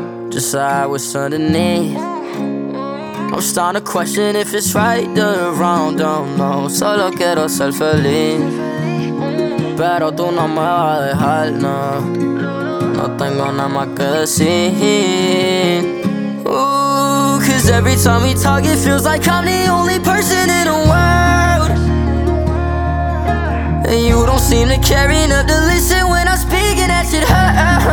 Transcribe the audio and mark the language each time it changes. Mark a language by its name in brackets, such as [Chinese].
[English] Just like I was underneath. I'm starting to question if it's right or wrong, don't know. [Spanish] Solo quiero ser feliz. Pero tú no me vas a dejar, no. No tengo nada más que decir. [English] Cause every time we talk, it feels like I'm the only person in the world. And you don't seem to care enough to listen when I speak, and that shit hurts.